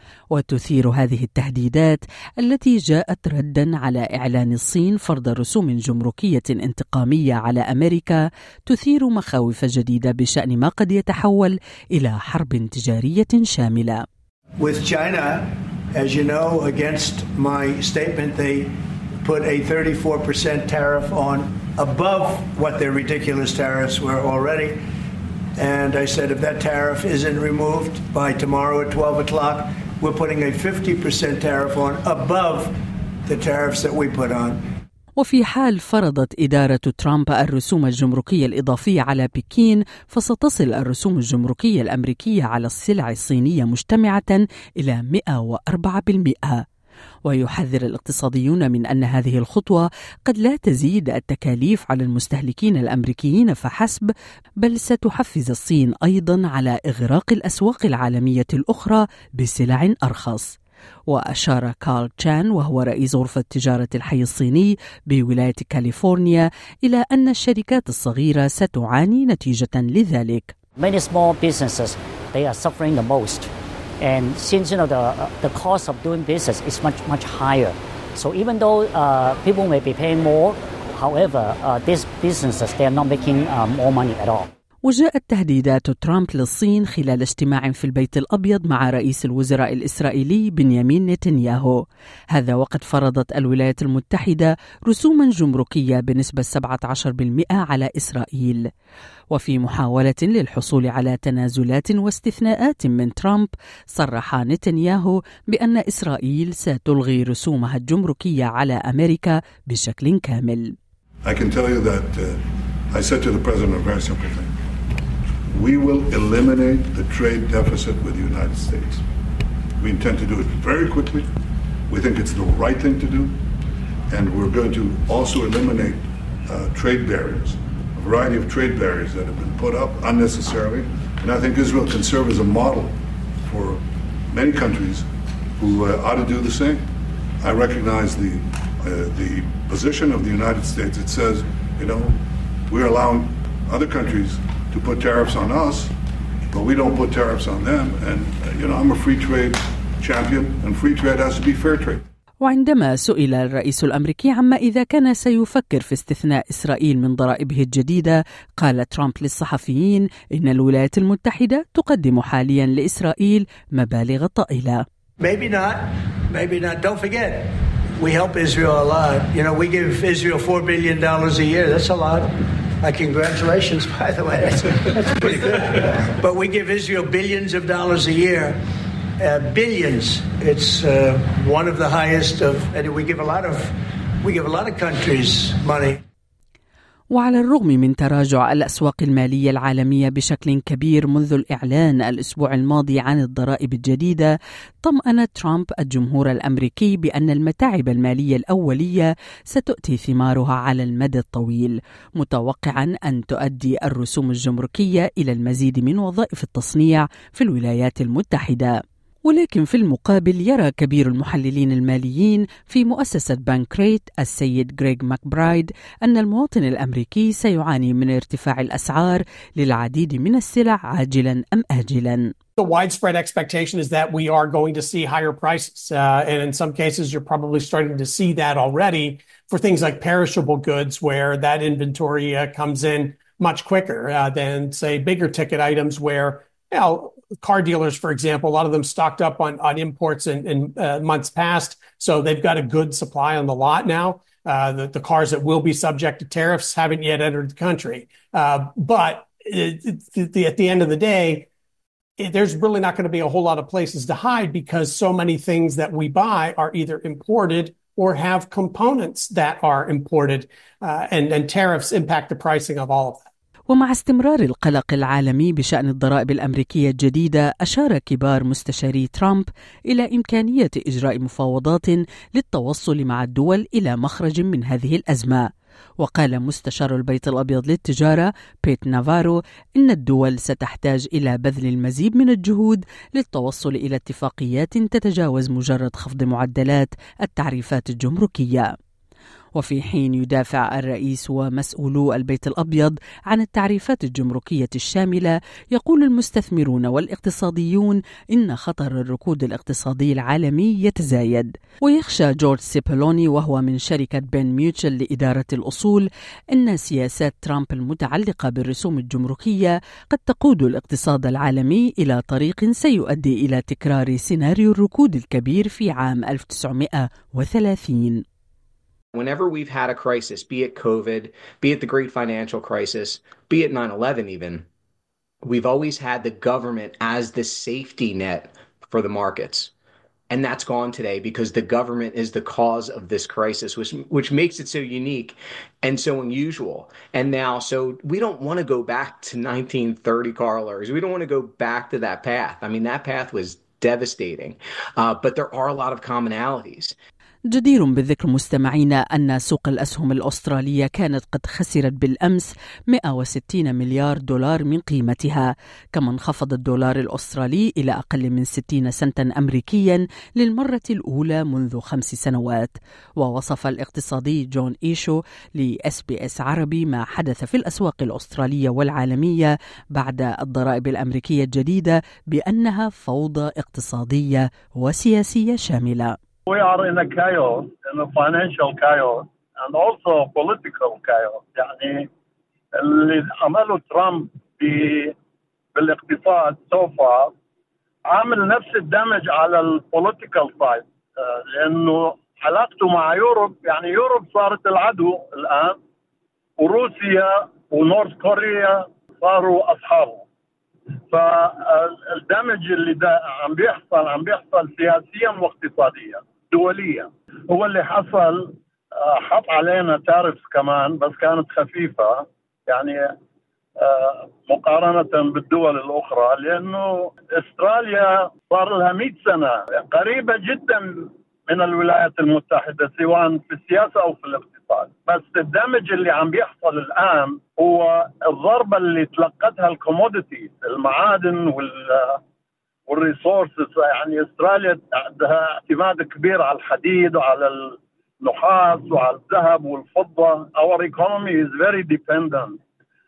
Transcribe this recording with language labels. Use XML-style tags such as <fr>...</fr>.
<ar>وتثير هذه التهديدات التي جاءت رداً على إعلان الصين فرض رسوم جمركية انتقامية على أمريكا، تثير مخاوف جديدة بشأن ما قد يتحول إلى حرب تجارية شاملة.</ar> <en>With China, as you know, against my statement, they put a 34% tariff on above what their ridiculous tariffs were already. And I said, if that tariff isn't removed by tomorrow at 12 o'clock, we're putting a 50% tariff on above the tariffs that we put on.</en> <ar>وفي حال فرضت إدارة ترامب الرسوم الجمركية الإضافية على بكين، فستصل الرسوم الجمركية الأمريكية على السلع الصينية مجتمعة إلى 104%. ويحذر الاقتصاديون من أن هذه الخطوة قد لا تزيد التكاليف على المستهلكين الأمريكيين فحسب، بل ستحفز الصين أيضا على إغراق الأسواق العالمية الأخرى بسلع أرخص. وأشار كارل تشان وهو رئيس غرفة تجارة الحي الصيني بولاية كاليفورنيا إلى أن الشركات الصغيرة ستعاني نتيجة لذلك.</ar> <en>Many small businesses, they are suffering the most. And since you know the cost of doing business is much higher, so even though people may be paying more, however these businesses they are not making more money at all.</en> <ar>وجاءت تهديدات ترامب للصين خلال اجتماع في البيت الأبيض مع رئيس الوزراء الإسرائيلي بنيامين نتنياهو، هذا وقد فرضت الولايات المتحدة رسوما جمركية بنسبة 17% على إسرائيل. وفي محاولة للحصول على تنازلات واستثناءات من ترامب، صرح نتنياهو بأن إسرائيل ستلغي رسومها الجمركية على أمريكا بشكل كامل.</ar> <en>I can tell you that I said to the president of America, we will eliminate the trade deficit with the United States. We intend to do it very quickly. We think it's the right thing to do. And we're going to also eliminate trade barriers, a variety of trade barriers that have been put up unnecessarily. And I think Israel can serve as a model for many countries who ought to do the same. I recognize the position of the United States. It says, you know, we're allowing other countries to put tariffs on us, but we don't put tariffs on them. And you know, I'm a free trade champion, and free trade has to be fair trade.</en> <ar>وعندما سئل الرئيس الأمريكي عما إذا كان سيفكر في استثناء إسرائيل من ضرائبه الجديدة، قال ترامب للصحفيين إن الولايات المتحدة تقدم حاليا لإسرائيل مبالغ طائلة.</ar> <en>Maybe not. Maybe not. Don't forget, we help Israel a lot. You know, we give Israel $4 billion a year. That's a lot. Congratulations, by the way. That's pretty good. But we give Israel billions of dollars a year. Billions. It's one of the highest of, and we give a lot of countries money.</en> <ar>وعلى الرغم من تراجع الأسواق المالية العالمية بشكل كبير منذ الإعلان الأسبوع الماضي عن الضرائب الجديدة، طمأن ترامب الجمهور الأمريكي بأن المتاعب المالية الأولية ستؤتي ثمارها على المدى الطويل، متوقعا أن تؤدي الرسوم الجمركية إلى المزيد من وظائف التصنيع في الولايات المتحدة. ولكن في المقابل يرى كبير المحللين الماليين في مؤسسة بانكريت السيد غريغ ماكبرايد أن المواطن الأمريكي سيعاني من ارتفاع الأسعار للعديد من السلع عاجلا أم آجلا.</ar> <en>The widespread expectation is that we are going to see higher prices, and in some cases you're probably starting to see that already for things like perishable goods where that inventory comes in much quicker than say bigger ticket items where you know, car dealers, for example, a lot of them stocked up on imports in months past, so they've got a good supply on the lot now. The cars that will be subject to tariffs haven't yet entered the country. But at the end of the day, there's really not going to be a whole lot of places to hide because so many things that we buy are either imported or have components that are imported, and tariffs impact the pricing of all of that.</en> <ar>ومع استمرار القلق العالمي بشأن الضرائب الأمريكية الجديدة، أشار كبار مستشاري ترامب إلى إمكانية إجراء مفاوضات للتوصل مع الدول إلى مخرج من هذه الأزمة. وقال مستشار البيت الأبيض للتجارة بيت نافارو إن الدول ستحتاج إلى بذل المزيد من الجهود للتوصل إلى اتفاقيات تتجاوز مجرد خفض معدلات التعريفات الجمركية. وفي حين يدافع الرئيس ومسؤولو البيت الأبيض عن التعريفات الجمركية الشاملة، يقول المستثمرون والاقتصاديون إن خطر الركود الاقتصادي العالمي يتزايد. ويخشى جورج سيبلوني، وهو من شركة بن ميوتشل لإدارة الأصول، إن سياسات ترامب المتعلقة بالرسوم الجمركية قد تقود الاقتصاد العالمي إلى طريق سيؤدي إلى تكرار سيناريو الركود الكبير في عام 1930.</ar> <en>Whenever we've had a crisis, be it COVID, be it the great financial crisis, be it 9/11 even, we've always had the government as the safety net for the markets. And that's gone today because the government is the cause of this crisis, which makes it so unique and so unusual. And now, so we don't want to go back to 1930, Carlers. We don't want to go back to that path. I mean, that path was devastating. But there are a lot of commonalities.</en> <ar>جدير بالذكر مستمعينا أن سوق الأسهم الأسترالية كانت قد خسرت بالأمس 160 مليار دولار من قيمتها، كما انخفض الدولار الأسترالي إلى أقل من 60 سنتا أمريكيا للمرة الأولى منذ 5 سنوات. ووصف الاقتصادي جون إيشو لإس بي إس عربي ما حدث في الأسواق الأسترالية والعالمية بعد الضرائب الأمريكية الجديدة بأنها فوضى اقتصادية وسياسية شاملة.</ar> <en>We are in a chaos, in a financial chaos, and also political chaos.</en> <ar>يعني اللي عمله ترامب بالاقتصاد</ar> <en>so far</en> <ar>عامل نفس الدمج على</ar> <en>البوليتيكال سايد،</en> <ar>لأنه علاقته مع يوروب، يعني يوروب صارت العدو الآن، وروسيا ونورث كوريا صاروا أصحابه. فالدمج اللي عم بيحصل سياسيا واقتصاديا دولية هو اللي حصل. حط علينا تارفز كمان بس كانت خفيفة، يعني مقارنة بالدول الأخرى، لأنه أستراليا صار لها 100 سنة قريبة جدا من الولايات المتحدة سواء في السياسة أو في الاقتصاد. بس الدمج اللي عم بيحصل الآن هو الضربة اللي تلقتها الكوموديتيز، المعادن والريسورسز. يعني استراليا عندها اعتماد كبير على الحديد وعلى النحاس وعلى الذهب والفضة.</ar> <en>Our economy is very dependent.</en>